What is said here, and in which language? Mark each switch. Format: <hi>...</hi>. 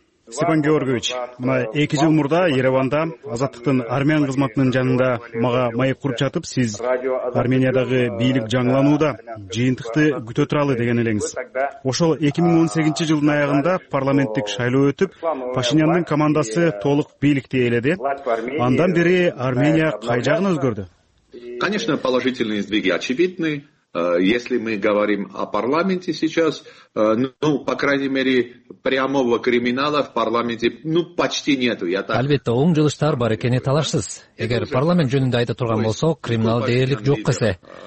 <ky>Степан Георгиевич, мына 2 жыл мурда Ереванда Азаттыктын армян кызматынын жанында мага маек куруп жатып, сиз Армениядагы бийлик жаңылануда жыйынтыкты күтө туралы деген элеңиз. Ошол 2018 жылдын аягында парламенттик шайлоо өтүп, Пашиняндын командасы толук бийликти ээледи. Андан бери Армения кай жагын өзгөрдү?</ky> <ru>Конечно, положительные сдвиги очевидны. Если мы говорим о парламенте сейчас, ну, по крайней мере, прямого криминала в парламенте, ну, почти нету.</ru> <ky>Албетте, оң жылыштар бар экени талашсыз. Эгер парламент жөнүндө айта турган болсо, криминал дээрлик жок эсе.</ky>